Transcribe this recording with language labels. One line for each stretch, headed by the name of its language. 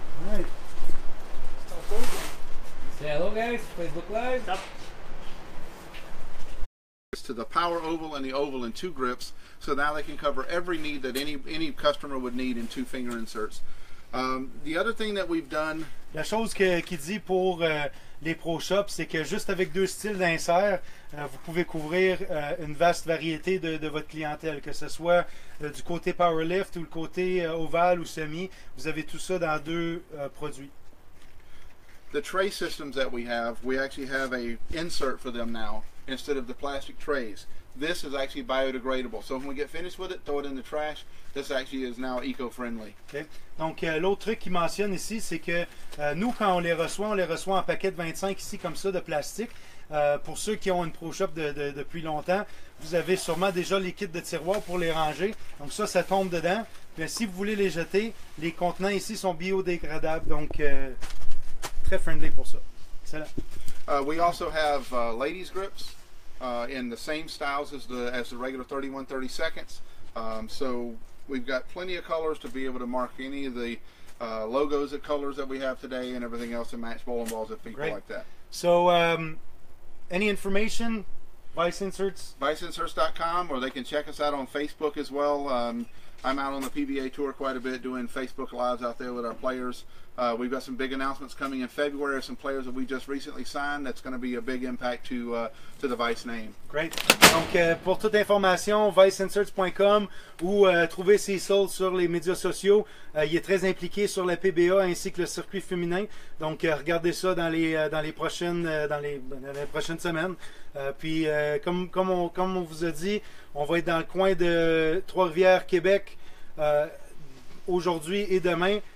English: All right. Say hello, guys. Facebook Live. Stop. To the power oval and the oval in two grips, so now they can cover every need that any customer would need in two finger inserts. The other thing that we've done.
French: La chose qu'il dit pour les pro shops, c'est que juste avec deux styles d'insert, vous pouvez couvrir une vaste variété de votre clientèle, que ce soit du côté power lift ou le côté ovale ou semi, vous avez tout ça dans deux produits.
English: The tray systems that we actually have a insert for them now. Instead of the plastic trays, this is actually biodegradable. So when we get finished with it, throw it in the trash. This actually is now eco-friendly. Okay.
French: Donc l'autre truc qu'il mentionne ici, c'est que nous, quand on les reçoit en paquet de 25 ici comme ça de plastique. Pour ceux qui ont une pro shop depuis longtemps, vous avez sûrement déjà les kits de tiroir pour les ranger. Donc ça tombe dedans. Mais si vous voulez les jeter, les contenants ici sont biodégradables. Donc très friendly pour ça. Excellent.
English: We also have ladies grips in the same styles as the regular 31/32. So we've got plenty of colors to be able to mark any of the logos of colors that we have today and everything else to match bowling balls if people Great. Like that. So any information, Vise Inserts? Viseinserts.com, or they can check us out on Facebook as well. I'm out on the PBA tour quite a bit doing Facebook Lives out there with our players. We've got some big announcements coming in February of some players that we just recently signed. That's going to be a big impact to the Vise name. Great.
French: Donc, pour toute information, viseinserts.com ou trouver Cecil sur les médias sociaux. Il est très impliqué sur la PBA ainsi que le circuit féminin. Donc, regardez ça dans les prochaines semaines. Puis, comme on vous a dit, on va être dans le coin de Trois-Rivières, Québec, aujourd'hui et demain.